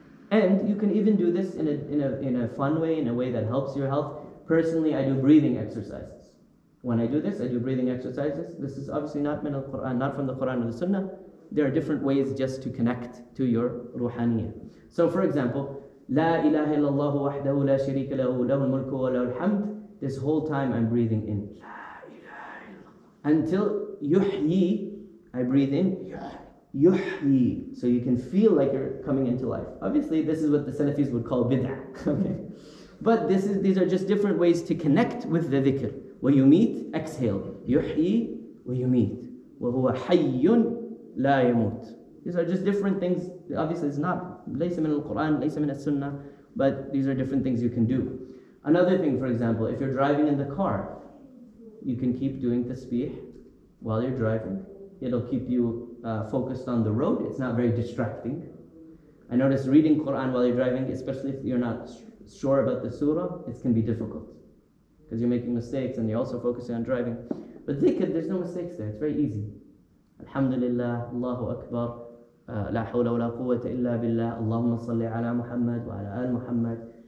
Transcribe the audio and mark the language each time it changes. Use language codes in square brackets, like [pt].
[en] And you can even do this in a fun way, in a way that helps your health. Personally, I do breathing exercises. When I do this, I do breathing exercises. This is obviously not from the Quran, not from the Quran or the Sunnah. There are different ways just to connect to your ruhaniyah. So for example, [ar] لا إله إلا الله وحده لا شريك له له الملك وله الحمد. [en] This whole time I'm breathing in. [ar] لا إله إلا الله. [en] Until يحيي, I breathe in. يحيي. So you can feel like you're coming into life. Obviously, this is what the Salafis would call bid'ah. Okay. But these are just different ways to connect with the dhikr. [ar] ويميت, exhale. يحيي ويميت. وهو حي لا يموت. [en] These are just different things. Obviously, it's not [ar] ليس من القرآن ليس من السنة, [en] but these are different things you can do. Another thing, for example, if you're driving in the car, you can keep doing tasbih while you're driving. It'll keep you focused on the road. It's not very distracting. I notice reading Quran while you're driving, especially if you're not sure about the surah, it can be difficult because you're making mistakes and you're also focusing on driving. But dhikr, there's no mistakes there. It's very easy. Alhamdulillah, Allahu Akbar, [ar] لا حول ولا قوة إلا بالله اللهم صل على محمد وعلى آل محمد.